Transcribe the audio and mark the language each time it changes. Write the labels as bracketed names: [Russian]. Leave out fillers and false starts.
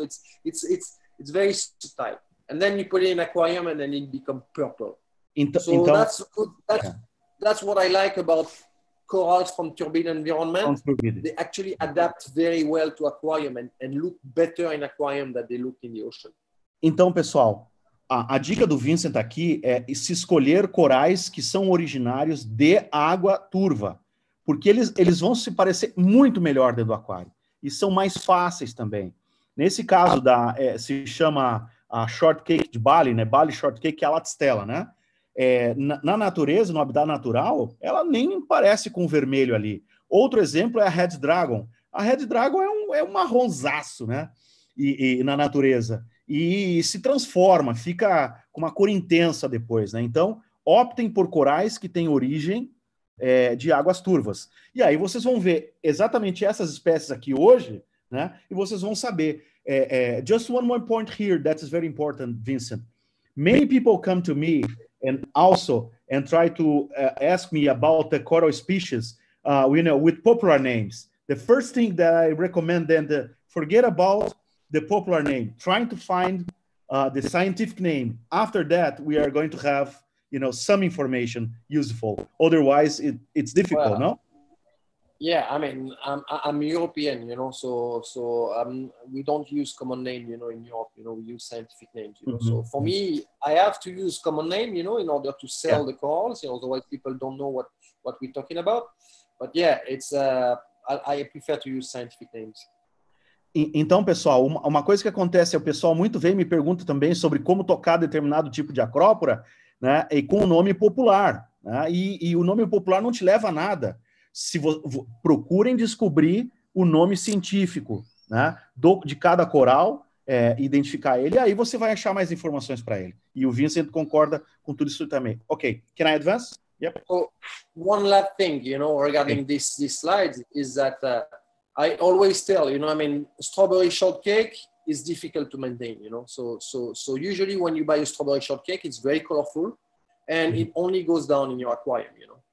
[English] It's very subtle. And then you put it in aquarium and then it becomes purple. That's what I like about corals from turbid environment. They actually adapt very well to aquarium and look better in aquarium than they look in the ocean. [Portuguese] Então, pessoal, a dica do Vincent aqui é se escolher corais que são originários de água turva, porque eles vão se parecer muito melhor dentro do aquário e são mais fáceis também. Nesse caso, se chama a shortcake de Bali, né? Bali shortcake, que é a latistela, né? Na natureza, no habitat natural, ela nem parece com vermelho ali. Outro exemplo é a red dragon. A red dragon é um marronzaço, né? E na natureza. E se transforma, fica com uma cor intensa depois, né? Então, optem por corais que têm origem de águas turvas. E aí vocês vão ver exatamente essas espécies aqui hoje, né? E vocês vão saber. [English] Just one more point here that is very important, Vincent. Many people come to me and also and try to ask me about the coral species, you know, with popular names. The first thing that I recommend them to forget about the popular name, trying to find the scientific name. After that, we are going to have, you know, some information useful. Otherwise, it's difficult, well, no? Yeah, I mean, I'm European, you know, so we don't use common name, you know, in Europe, you know, we use scientific names, you know. Mm-hmm. So for me, I have to use common name, you know, in order to sell the corals, you know, otherwise people don't know what we're talking about. But yeah, it's I prefer to use scientific names. [Portuguese] Então, pessoal, uma coisa que acontece é o pessoal muito vem e me pergunta também sobre como tocar determinado tipo de acrópora, né, e com o nome popular, né, e o nome popular não te leva a nada. Se procurem descobrir o nome científico, né, de cada coral, identificar ele, aí você vai achar mais informações para ele. E o Vincent concorda com tudo isso também. [English] Ok, can I advance? Yep. So, one last thing, you know, regarding this slide is that I always tell, you know, I mean, strawberry shortcake is difficult to maintain, you know. So usually when you buy a strawberry shortcake, it's very colorful and it only goes down in your aquarium, you know.